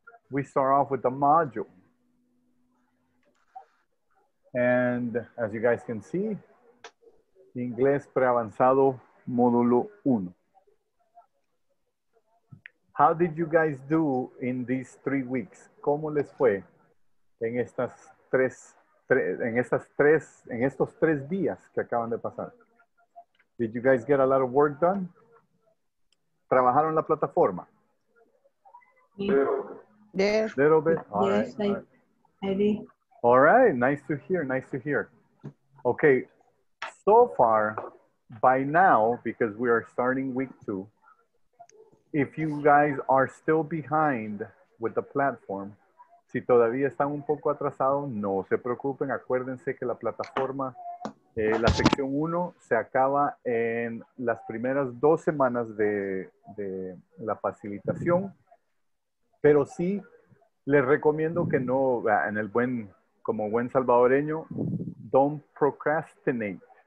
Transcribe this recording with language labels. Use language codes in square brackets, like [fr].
[en] We start off with the module. And as you guys can see, Inglés Preavanzado Módulo Uno. How did you guys do in these 3 weeks? [es] ¿Cómo les fue en estos tres días que acaban de pasar? [en] Did you guys get a lot of work done? [es] ¿Trabajaron la plataforma? [en] Little bit. All right. All right. Nice to hear. Okay. So far, by now, because we are starting week two, if you guys are still behind with the platform, [es] Si todavía están un poco atrasados, no se preocupen. Acuérdense que la plataforma, la sección 1, se acaba en las primeras dos semanas de la facilitación. Pero sí les recomiendo que no, en el buen, como buen salvadoreño, [en] don't procrastinate.